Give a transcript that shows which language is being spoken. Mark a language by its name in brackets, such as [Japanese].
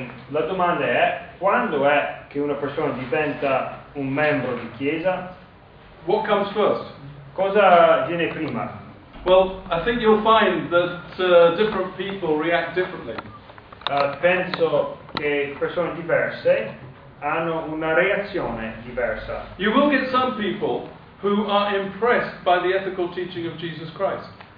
[Italian] La domanda è: quando è che una persona diventa un membro di chiesa? [English] What comes first? [Italian] Cosa viene prima? [English] Well, I think you'll find that different people react differently. [Italian] Penso che persone diverse hanno una reazione diversa. [English] You will get some people who are impressed by the ethical teaching of Jesus Christ.